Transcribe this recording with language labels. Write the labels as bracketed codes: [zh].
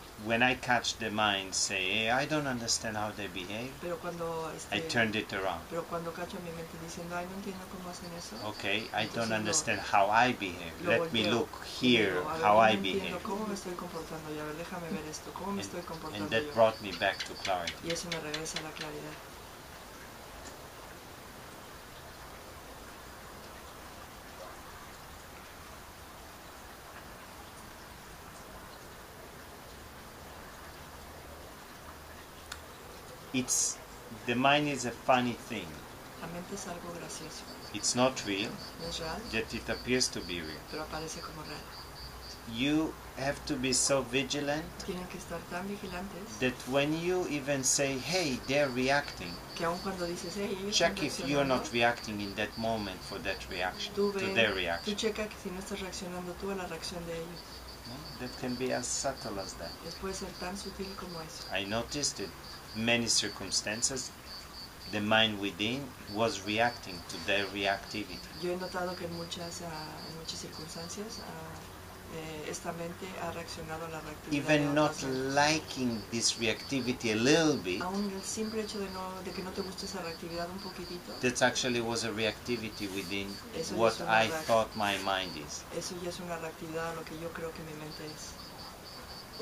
[en] when I catch the mind say, hey, I don't understand how they behave, [es] pero cuando, [en] I turned it around. [es] Pero cuando cacho mi mente diciendo, ay, no entiendo cómo hacen eso. [en] Okay, I don't understand how I behave. Let me look here how I behave. [es] ¿Cómo me estoy comportando? Ya, a ver, déjame ver esto. ¿Cómo me estoy comportando? [en] And that brought me back to clarity. [es] Y eso me regresa a la claridad. [en] It's the mind is a funny thing. [es] La mente es algo gracioso. [en] It's not real, [es] no es real, [en] yet it appears to be real. [es] Pero aparece como real. [en] You have to be so vigilant. [es] Tienen que estar tan vigilantes [en] that when you even say, hey, they're reacting, [es] que aun cuando dices, hey, ellos [en] check if you're not reacting in that moment for that reaction, [es] tú ve, [en] to their reaction. [es] Tú checa que si no estás reaccionando tú a la reacción de ellos. [en] That can be as subtle as that. [es] Es, puede ser tan sutil como eso. [en] I noticed it. Many circumstances, the mind within was reacting to their reactivity. [es] Yo he notado que en muchas circunstancias esta mente ha reaccionado a la reactividad. [en] Even not liking this reactivity a little bit. [es] Aún el simple hecho de que no te guste esa reactividad un poquitito. [en] That actually was a reactivity within what I thought my mind is. [es] Eso ya es una reactividad a lo que yo creo que mi mente es.